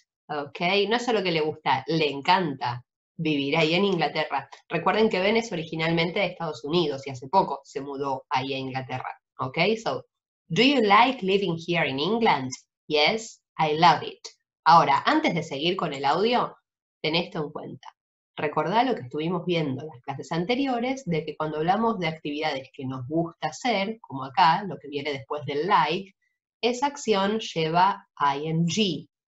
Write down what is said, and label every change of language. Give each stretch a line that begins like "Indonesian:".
Spanish: Okay, no solo que le gusta, le encanta vivir ahí en Inglaterra. Recuerden que Ben es originalmente de Estados Unidos y hace poco se mudó ahí a Inglaterra.
English: Okay, so, do you like living here in England? Yes, I love it.
Spanish: Ahora, antes de seguir con el audio, ten esto en cuenta. Recordá lo que estuvimos viendo en las clases anteriores, de que cuando hablamos de actividades que nos gusta hacer, como acá, lo que viene después del like, esa acción lleva ing.